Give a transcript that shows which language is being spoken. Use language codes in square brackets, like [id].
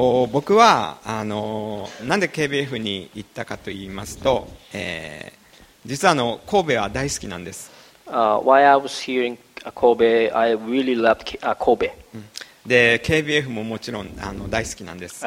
[ja] 僕はなんで KBF に行ったかと言いますと、実は神戸は大好きなんです。 [en] Why I was here in Kobe, I really loved Kobe. [ja] で、KBF ももちろん大好きなんです。